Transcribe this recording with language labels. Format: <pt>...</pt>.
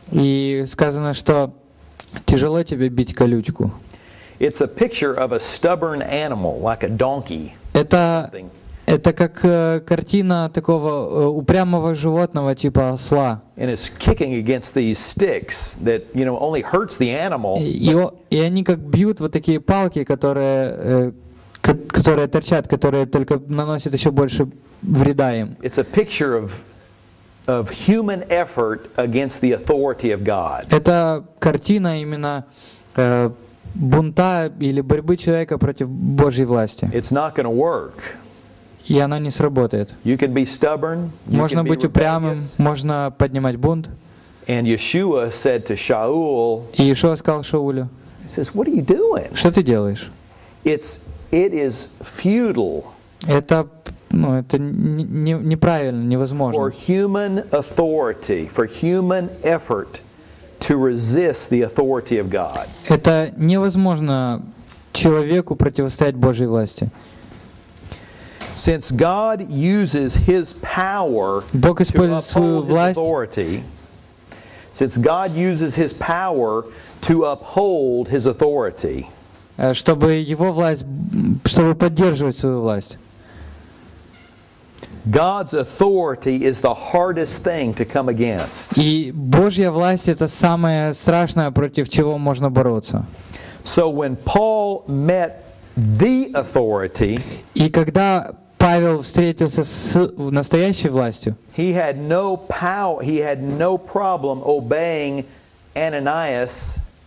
<ru>И сказано, что тяжело тебе бить колючку.</ru> <en>It's a picture of a stubborn animal, like a donkey.</en> <ru>Это как картина такого упрямого животного типа осла.</ru> <en>And it's kicking against these sticks that, you know, only hurts the animal.</en> <ru>И они как бьют вот такие палки, которые торчат, которые только наносят еще больше вреда им.</ru> <en>It's a picture of human effort against the authority of God.</en> <ru>Это картина именно бунта или борьбы человека против Божьей власти.</ru> <en>It's not going to work.</en> <ru>И она не сработает.</ru> <en>You can be stubborn, you</en> <ru>можно</ru> <en>can</en> <ru>быть упрямым, можно поднимать бунт.</ru> <en>And Yeshua said to Shaul,</en> <ru>и Иешуа сказал Шаулю,</ru> <en>he says, what are you doing?</en> <ru>Что ты делаешь?</ru> <en>It is futile.</en> <ru>Это, ну, это неправильно, невозможно.</ru> <en>For human authority, for human effort to resist the authority of God.</en> <ru>Это невозможно человеку противостоять Божьей власти.</ru> <en>Since God uses His power to uphold His authority, since God uses His power to uphold His authority,</en> <ru>чтобы поддерживать свою власть.</ru> <en>God's authority is the hardest thing to come against.</en> <ru>И Божья власть — это самое страшное, против чего можно бороться.</ru> <en>So when Paul met the authority,</en> <ru>и когда Павел встретился с настоящей властью,</ru> <en>he had no power, he had no problem obeying Ananias.</en>